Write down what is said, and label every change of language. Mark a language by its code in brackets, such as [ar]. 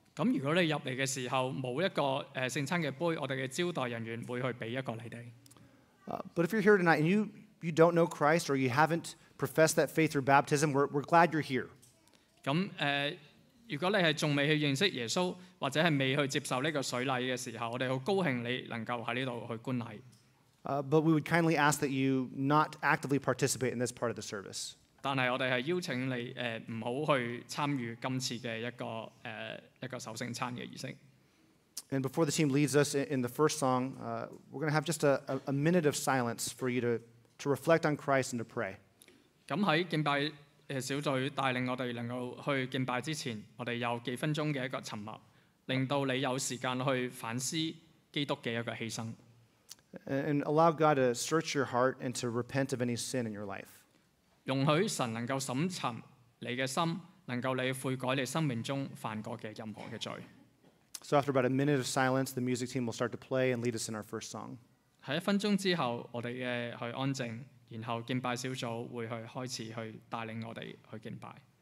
[en] But if you're here tonight and you don't know Christ or you haven't professed that faith through baptism, we're glad you're here. [yue] 咁如果你係仲未去認識耶穌，或者係未去接受呢個水禮嘅時候，我哋好高興你能夠喺呢度去觀禮。 [en] But we would kindly ask that you not actively participate in this part of the service. [yue] 但係我哋係邀請你唔好去參與今次嘅一個守聖餐嘅儀式。 [en] And before the team leads us in the first song, we're going to have just a minute of silence for you to reflect on Christ and to pray. [yue] 咁喺敬拜。小组带领我哋能够去敬拜之前，我哋有几分钟嘅一个沉默，令到你有时间去反思基督嘅一个牺牲。 [en] And allow God to search your heart and to repent of any sin in your life. [yue] 容许神能够审查你嘅心，能够你悔改你生命中犯过嘅任何嘅罪。 [en] So after about a minute of silence, the music team will start to play and lead us in our first song. [yue] 喺一分钟之后，我哋嘅去安静。然后敬拜小组会去开始去带领我哋去敬拜。